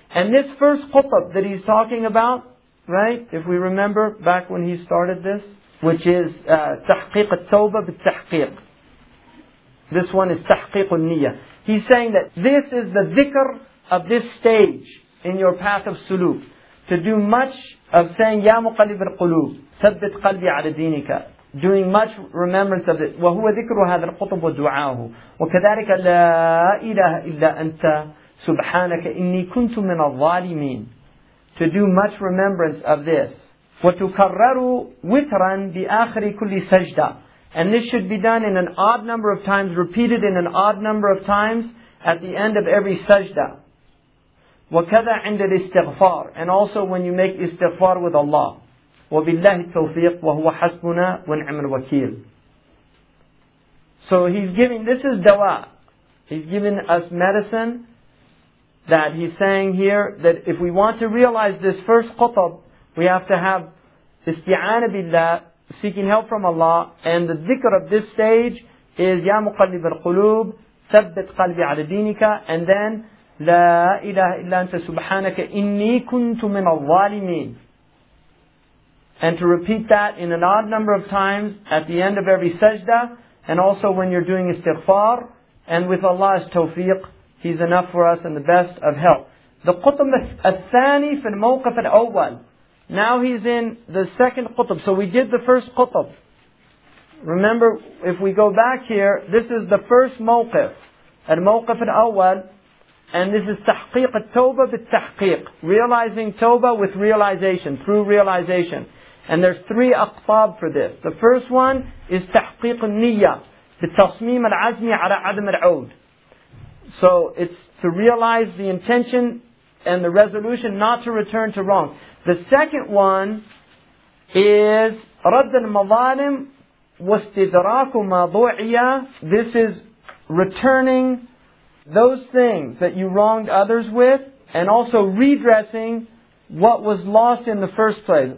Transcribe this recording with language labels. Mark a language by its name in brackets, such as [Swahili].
[English] And this first qutb that he's talking about, right, if we remember back when he started this, which is [Arabic] تحقيق التوبة بالتحقيق. [English] This one is [Arabic] تحقيق النية. [English] He's saying that this is the dhikr of this stage in your path of suluk. To do much of saying [Arabic] يَا مُقَلِبِ الْقُلُوبِ ثَبِّتْ قَلْبِي عَلَى دِينِكَ. [English] Doing much remembrance of it. [Arabic] وَهُوَ ذِكْرُ هَذَا الْقُطُبُ وَدُعَاهُ وَكَذَلِكَ لَا إِلَهَ إِلَّا أَنْتَ سُبْحَانَكَ إِنِّي كُنْتُ مِنَ الظَّالِمِينَ. [English] To do much remembrance of this. [Arabic] وَتُكَرَّرُ وِتْرًا بِآخْرِ كُلِّ سَجْدًا. [English] And this should be done in an odd number of times, repeated in an odd number of times at the end of every sajda. [Arabic] وَكَذَا عِنْدَ الْإِسْتِغْفَارِ. [English] And also when you make istighfar with Allah. [Arabic] وَبِاللَّهِ التَّوْفِيقِ وَهُوَ حَسْبُنَا وَنْعِمَ الْوَكِيلِ. [English] So he's giving, this is dawa. He's giving us medicine that he's saying here that if we want to realize this first qutb, we have to have isti'ana billah, seeking help from Allah, and the dhikr of this stage is [Arabic] يَا مُقَلِّبَ الْقُلُوبِ ثَبِّتْ قَلْبِي عَلَى دِينِكَ. [English] And then [Arabic] لَا إِلَهَ إِلَّا أَنْتَ سُبْحَانَكَ إِنِّي كُنْتُ مِنَ الظَّالِمِينَ. [English] And to repeat that in an odd number of times at the end of every sajda, and also when you're doing istighfar, and with Allah's tawfiq, He's enough for us and the best of help. The [Arabic] qutb al-thani fi al-mawqif al-awwal. [English] Now he's in the second qutb. So we did the first qutb. Remember, if we go back here, this is the first mawqif. [Arabic] Al-mawqif al-awwal. [English] And this is [Arabic] tahqiq al-tawbah bil-tahqiq. [English] Realizing tawbah with realization, through realization. And there's three aqtab for this. The first one is [Arabic] تحقيق النية بتصميم العزم على عدم العود. [English] So it's to realize the intention and the resolution not to return to wrong. [Arabic] The second one is رد المظالم واستدراك موضوعية. [English] This is returning those things that you wronged others with and also redressing what was lost in the first place.